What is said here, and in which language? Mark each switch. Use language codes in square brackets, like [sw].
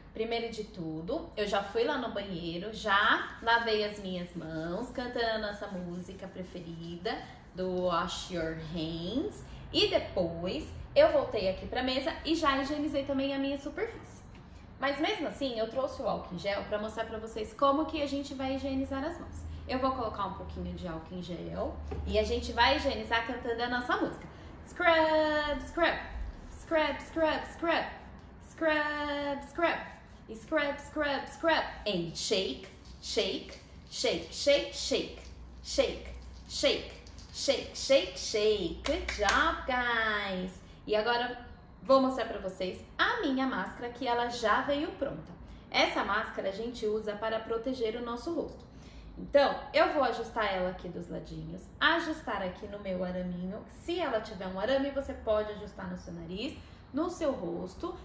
[pt] Primeiro de tudo, eu já fui lá no banheiro, já lavei as minhas mãos cantando a nossa música preferida do Wash Your Hands e depois eu voltei aqui para a mesa e já higienizei também a minha superfície. Mas mesmo assim, eu trouxe o álcool em gel para mostrar para vocês como que a gente vai higienizar as mãos. Eu vou colocar um pouquinho de álcool em gel e a gente vai higienizar cantando a nossa música. [en] Scrub, scrub, scrub, scrub, scrub, scrub, scrub, scrub, scrub, scrub, and shake, shake, shake, shake, shake, shake, shake, shake, shake, shake. Good job, guys! [pt] E agora vou mostrar para vocês a minha máscara, que ela já veio pronta. Essa máscara a gente usa para proteger o nosso rosto. Então, eu vou ajustar ela aqui dos ladinhos, ajustar aqui no meu araminho. Se ela tiver um arame, você pode ajustar no seu nariz, no seu rosto.